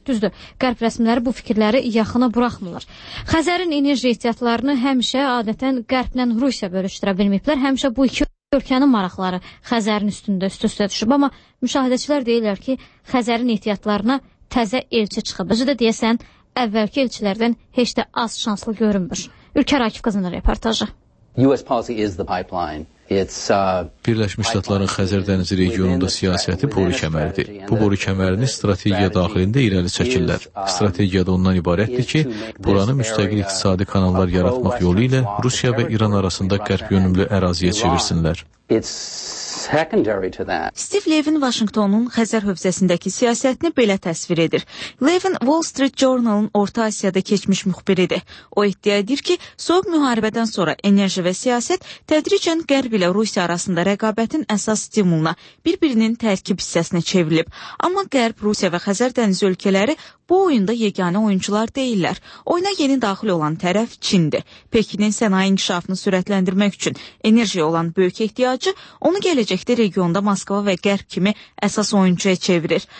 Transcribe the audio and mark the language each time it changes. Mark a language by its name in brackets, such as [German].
[Azerbaijani] Düzdür, Qərb rəsmiləri bu fikirləri yaxına buraxmırlar. Xəzərin enerji ehtiyatlarını həmişə adətən Qərblə Rusiya bölüşdürə bilməyiblər. Həmişə bu iki ölkənin maraqları Xəzərin üstündə üst-üstə düşüb. Amma müşahidəçilər deyirlər ki, Xəzərin ehtiyatlarına təzə elçi çıxıb. Özü də deyəsən, əvvəlki elçilərdən heç də az şanslı görünmür. Ülkər Akif qızının reportajı. [English] US policy is the pipeline. [Azerbaijani] Birləşmiş Ştatların Xəzər dənizi regionunda siyasəti boru kəməridir. Bu boru kəmərini strategiya daxilində irəli çəkirlər. Strategiya da ondan ibarətdir ki, buranı müstəqil iqtisadi kanallar yaratmaq yolu ilə Rusiya və İran arasında qərb yönümlü əraziyə çevirsinlər. Steve Levin Washingtonun Xəzər hövzəsindəki siyasətini belə təsvir edir. Levin Wall Street Journal'ın Orta Asiyada keçmiş müxbiridir. O iddia edir ki, soğuk müharibədən sonra enerji və siyasət tədricən Qərb ilə Rusiya arasında rəqabətin əsas stimuluna, bir-birinin tərkib hissəsinə çevrilib. Amma Qərb, Rusiya və Xəzər dənizi ölkələri bu oyunda yeganə oyuncular deyillər. Oyuna yeni daxil olan tərəf Çindir. Pekinin sənaye inkişafını sürətləndirmək üçün enerjiyə olan böyük ehtiyacı onu gələcəkdə regionda Moskva və Qərb kimi əsas oyuncuya çevirir.